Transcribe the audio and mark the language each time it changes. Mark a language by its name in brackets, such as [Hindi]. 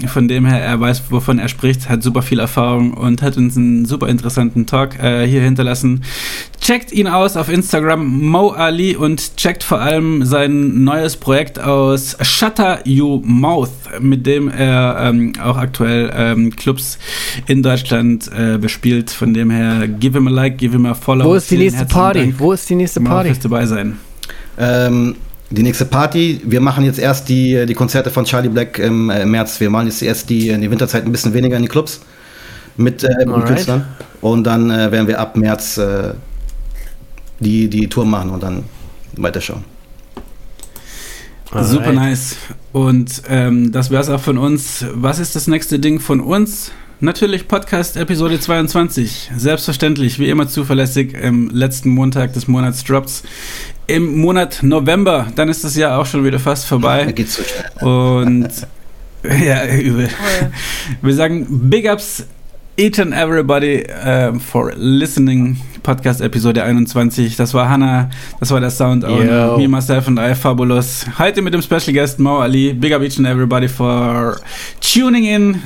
[German] Von dem her, er weiß, wovon er spricht, hat super viel Erfahrung und hat uns einen super interessanten Talk hier hinterlassen. Checkt ihn aus auf Instagram, Mo Ali, und checkt vor allem sein neues Projekt aus Shutter Your Mouth, mit dem er auch aktuell Clubs in Deutschland bespielt. Von dem her, [English] give him a like, give him a follow. [German] Wo ist die nächste Party? Wo ist die nächste Party? Fürs dabei sein. Die nächste Party, wir machen jetzt erst die Konzerte von Charlie Black im März. Wir machen jetzt erst in die Winterzeit ein bisschen weniger in die Clubs mit Künstlern. Und dann werden wir ab März die Tour machen und dann weiterschauen. [English] Alright. Super nice. [German] Und das wär's auch von uns. Was ist das nächste Ding von uns? Natürlich Podcast Episode 22. Selbstverständlich, wie immer zuverlässig, im letzten Montag des Monats droppt's. Im Monat November, dann ist das Jahr auch schon wieder fast vorbei. Ja, geht's so schnell. Und ja, übel. Oh, ja. Wir sagen [English] Big Ups each and everybody for listening [German] Podcast Episode 21. Das war Hanna, das war der Sound on Me, Myself and I, Fabulous. Heute mit dem Special Guest Mo Ali. [English] Big up each and everybody for tuning in.